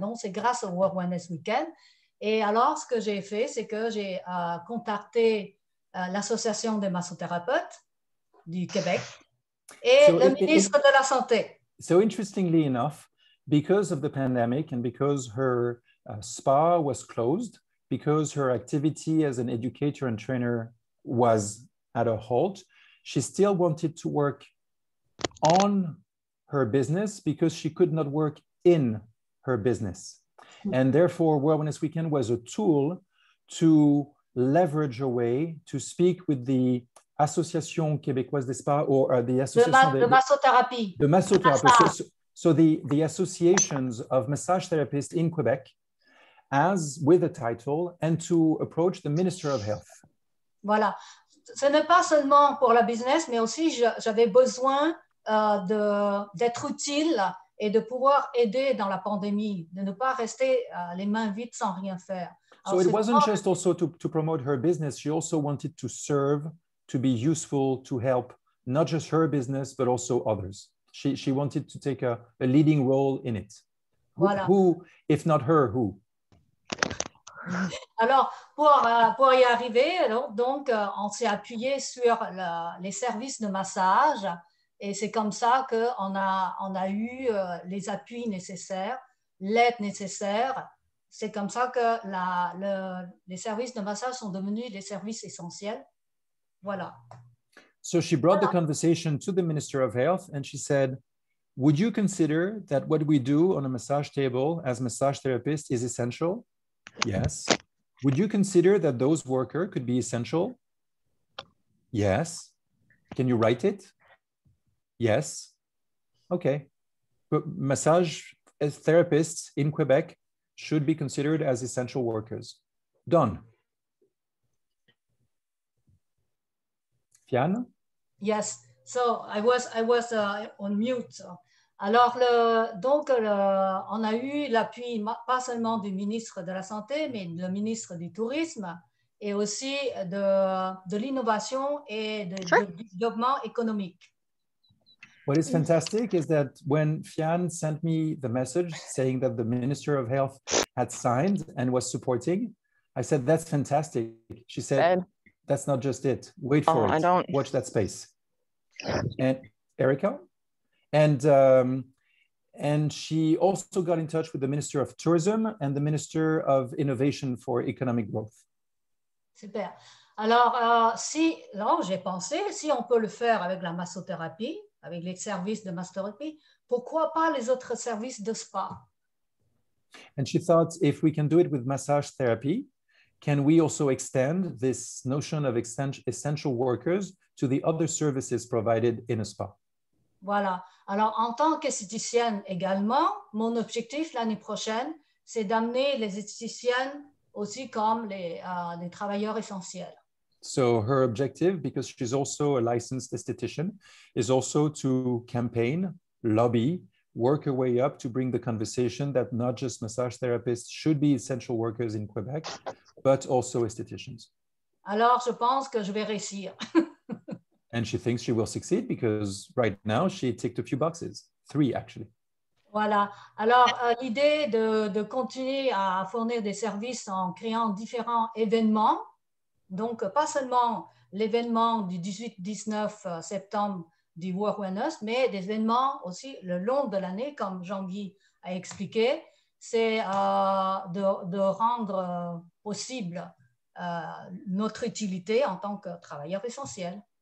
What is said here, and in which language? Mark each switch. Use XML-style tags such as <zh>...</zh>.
<fr>Donc, c'est grâce au World Wellness Weekend. Et alors, ce que j'ai fait, c'est que j'ai contacté l'Association des massothérapeutes du Québec et le ministre de la Santé.</fr> <en>So interestingly enough, because of the pandemic and because her spa was closed, because her activity as an educator and trainer was at a halt, she still wanted to work on her business because she could not work in her business. Mm-hmm. And therefore, World Wellness Weekend was a tool to leverage a way to speak with the Association Québécoise des Spas, or the Association</en> <fr>de Massothérapie.</fr> <en>The Massothérapie. So the associations of massage therapists in Quebec, as with a title, and to approach the Minister of Health.</en> <fr>Voilà. Ce n'est pas seulement pour la business, mais aussi j'avais besoin d'être utile et de pouvoir aider dans la pandémie, de ne pas rester les mains vides sans rien faire.</fr> <en>Alors, so it wasn't just also to promote her business, she also wanted to serve, to be useful, to help not just her business, but also others. She wanted to take a leading role in it.</en> <fr>Voilà.</fr> <en>Who, if not her, who?</en> <fr>Alors, pour y arriver, donc on s'est appuyé sur les services de massage, et c'est comme ça qu'on a eu les appuis nécessaires, l'aide nécessaire. C'est comme ça que les services de massage sont devenus des services essentiels. Voilà.</fr> <en>So she brought the conversation to the Minister of Health and she said, would you consider that what we do on a massage table as massage therapist is essential? Yes. Would you consider that those workers could be essential? Yes. Can you write it? Yes. Okay. But massage therapists in Quebec should be considered as essential workers. Done. Phiane? Yes, so I was on mute.</en> <fr>Alors, on a eu l'appui, pas seulement du ministre de la Santé, mais du ministre du Tourisme, et aussi de l'innovation et du développement économique.</fr> <en>What is fantastic is that when Phiane sent me the message saying that the Minister of Health had signed and was supporting, I said, that's fantastic. She said, that's not just it. Wait for it. I don't. Watch that space. And Erica? And she also got in touch with the Minister of Tourism and the Minister of Innovation for Economic Growth. Super.</en> <fr>Alors, j'ai pensé, si on peut le faire avec la massothérapie, avec les services de massothérapie, pourquoi pas les autres services de spa?</fr> <en>And she thought, if we can do it with massage therapy, can we also extend this notion of essential workers to the other services provided in a spa?</en> <fr>Voilà. Alors, en tant qu'esthéticienne également, mon objectif l'année prochaine, c'est d'amener les esthéticiennes aussi comme les travailleurs essentiels.</fr> <en>So her objective, because she's also a licensed esthetician, is also to campaign, lobby, work her way up to bring the conversation that not just massage therapists should be essential workers in Quebec, but also estheticians.</en> <fr>Alors, je pense que je vais réussir.</fr> <en>And she thinks she will succeed because right now she ticked a few boxes, three actually.</en> <fr>Voilà. Alors, l'idée de continuer à fournir des services en créant différents événements, donc pas seulement l'événement du 18-19 septembre du World Wellness, mais des événements aussi le long de l'année, comme Jean-Guy a expliqué, c'est de rendre possible notre utilité en tant que travailleur essentiel.</fr>